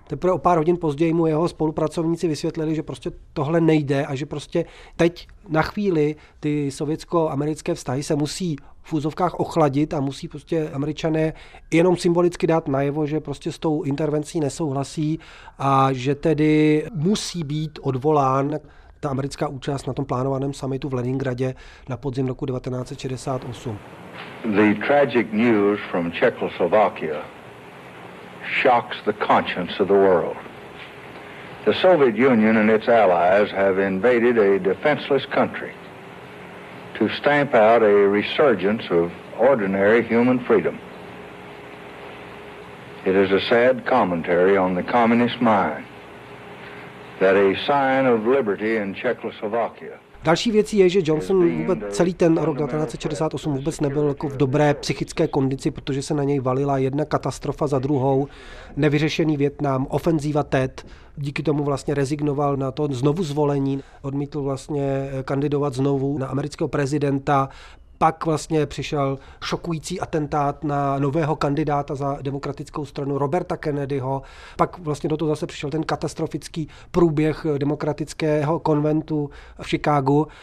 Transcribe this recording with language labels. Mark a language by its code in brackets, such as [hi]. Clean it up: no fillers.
[cs] Teprve o pár hodin později mu jeho spolupracovníci vysvětlili, že prostě tohle nejde a že prostě teď na chvíli ty sovětsko-americké vztahy se musí v úzovkách ochladit a musí prostě Američané jenom symbolicky dát najevo, že prostě s tou intervencí nesouhlasí a že tedy musí být odvolán ta americká účast na tom plánovaném summitu v Leningradě na podzim roku 1968. [en] The tragic news from Czechoslovakia shocks the conscience of the world. The Soviet Union and its allies have invaded a defenseless country to stamp out a resurgence of ordinary human freedom. It is a sad commentary on the communist mind that a sign of liberty in Czechoslovakia. [cs] Další věcí je, že Johnson vůbec celý ten rok 1968 vůbec nebyl jako v dobré psychické kondici, protože se na něj valila jedna katastrofa za druhou, nevyřešený Vietnam, ofenzíva Tet, díky tomu vlastně rezignoval na to znovu zvolení, odmítl vlastně kandidovat znovu na amerického prezidenta, pak vlastně přišel šokující atentát na nového kandidáta za demokratickou stranu Roberta Kennedyho, pak vlastně do toho zase přišel ten katastrofický průběh demokratického konventu v Chicagu.